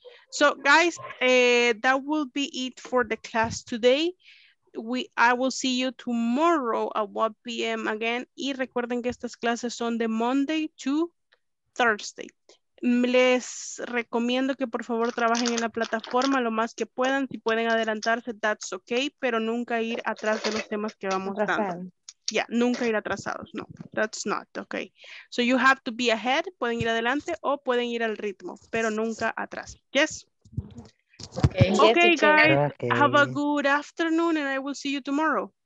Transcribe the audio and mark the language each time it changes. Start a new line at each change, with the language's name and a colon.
English: So, guys, that will be it for the class today. I will see you tomorrow at 1 p.m. again.
Spanish: Y recuerden que estas clases son de
English: Monday to Thursday.
Spanish: Les recomiendo que por favor trabajen en la plataforma lo más que puedan. Si pueden adelantarse,
English: that's okay.
Spanish: Pero nunca ir atrás de los temas que vamos dando.
English: Yeah,
Spanish: nunca ir atrasados.
English: No, that's not okay. So you have to be ahead.
Spanish: Pueden ir adelante o pueden ir al ritmo, pero nunca atrás.
English: Yes. Okay, yes, guys. Okay. Have a good afternoon, and I will see you tomorrow.